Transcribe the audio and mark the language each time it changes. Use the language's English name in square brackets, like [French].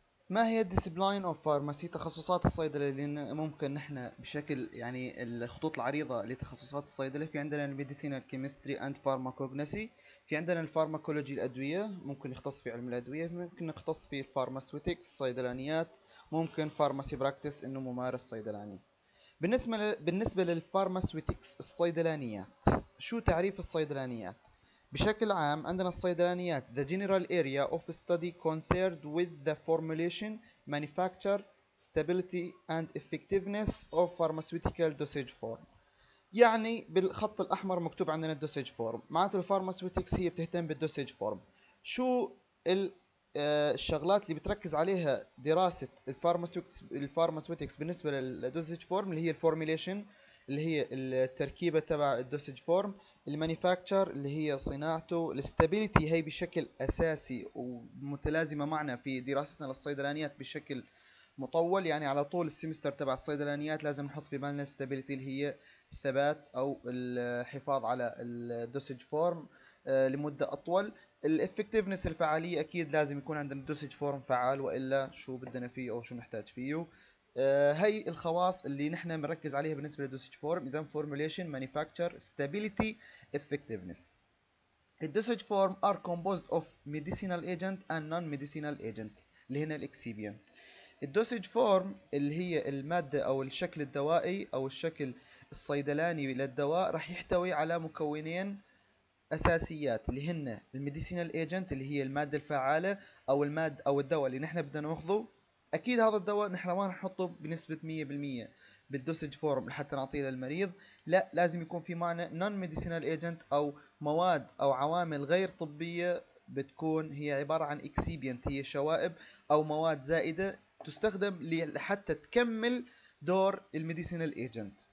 [Arabic] ما هي الديسبلاين اوف فارماسي، تخصصات الصيدله اللي ممكن نحن بشكل يعني الخطوط العريضه لتخصصات الصيدله؟ في عندنا الميديسينال كيمستري اند فارماكوجنسي، في عندنا الفارماكولوجي الادويه ممكن يختص في علم الادويه، ممكن يختص في الفارماسيوتكس صيدلانيات، ممكن فارماسي براكتس انه ممارس صيدلاني. بالنسبه للفارماسيوتكس الصيدلانيات، شو تعريف الصيدلانيات؟ بشكل عام عندنا الصيدلانيات [English] the general area of study concerned with the formulation, manufacture, stability and effectiveness of pharmaceutical dosage form. [Arabic] يعني بالخط الأحمر مكتوب عندنا dosage form، معناته الفارماسيوتكس هي بتهتم بالdosage form. شو الشغلات اللي بتركز عليها دراسة الفارماسيوتكس بالنسبة للdosage form؟ اللي هي الformulation اللي هي التركيبة تبع الدوسج فورم، المانيفاكتشر اللي هي صناعته، الاستابيليتي هي بشكل أساسي ومتلازمة معنا في دراستنا للصيدلانيات بشكل مطول، يعني على طول السيمستر تبع الصيدلانيات لازم نحط في بالنا الاستابيليتي اللي هي الثبات أو الحفاظ على الدوسج فورم لمدة أطول. الإفكتيفنس الفعالية أكيد لازم يكون عندنا الدوسج فورم فعال، وإلا شو بدنا فيه أو شو نحتاج فيه. هاي الخواص اللي نحن بنركز عليها بالنسبة للدوسج فورم، إذا [English] formulation, manufacture, stability, effectiveness. The dosage form are composed of medicinal agent and non-medicinal agent [Arabic] اللي هنا الإكسيبيانت. The dosage form اللي هي المادة أو الشكل الدوائي أو الشكل الصيدلاني للدواء راح يحتوي على مكونين أساسيات اللي هن medicinal agent اللي هي المادة الفعالة أو المادة أو الدواء اللي نحن بدنا نأخذه. اكيد هذا الدواء نحن ما نحطه بنسبه 100% بالدوسج فورم لحتى نعطيه للمريض، لا، لازم يكون في معنى نون ميديسينال ايجنت او مواد او عوامل غير طبيه بتكون هي عباره عن اكسيبيانت، هي شوائب او مواد زائده تستخدم لحتى تكمل دور الميديسينال ايجنت.